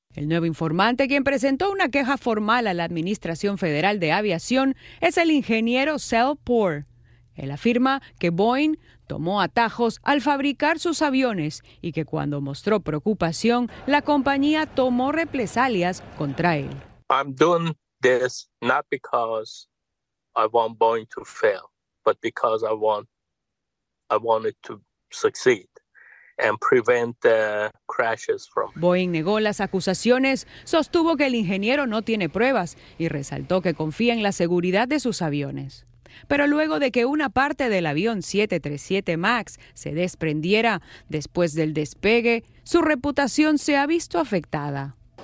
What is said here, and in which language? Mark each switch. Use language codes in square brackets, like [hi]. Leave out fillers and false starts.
[es] El nuevo informante, quien presentó una queja formal a la Administración Federal de Aviación, es el ingeniero Sal Poor. Él afirma que Boeing tomó atajos al fabricar sus aviones y que cuando mostró preocupación, la compañía tomó represalias contra él. [en] I'm doing this not because I want Boeing to fail, but because I want it to succeed. And prevent the crashes from. [es] Boeing negó las acusaciones, sostuvo que el ingeniero no tiene pruebas y resaltó que confía en la seguridad de sus aviones. Pero luego de que una parte del avión 737 MAX se desprendiera después del despegue, su reputación se ha visto afectada.